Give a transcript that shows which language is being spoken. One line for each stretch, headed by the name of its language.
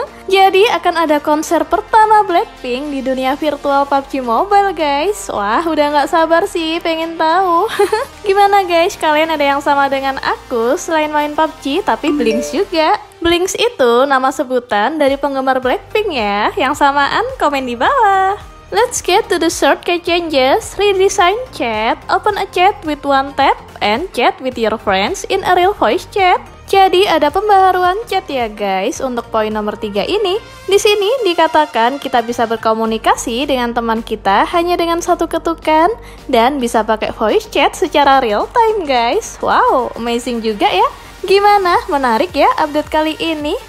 Indonesian: Jadi akan ada konser pertama Blackpink di dunia virtual PUBG Mobile guys. Wah, udah gak sabar sih, pengen tahu. Gimana guys, kalian ada yang sama dengan aku selain main PUBG tapi Blinks juga? Blinks itu nama sebutan dari penggemar Blackpink ya. Yang samaan, komen di bawah.
English: Let's get to the third key changes, redesign chat, open a chat with one tap, and chat with your friends in a real voice chat.
Indonesian: Jadi ada pembaharuan chat ya guys untuk poin nomor 3 ini. Di sini dikatakan kita bisa berkomunikasi dengan teman kita hanya dengan satu ketukan dan bisa pakai voice chat secara real time guys. Wow, amazing juga ya. Gimana? Menarik ya update kali ini?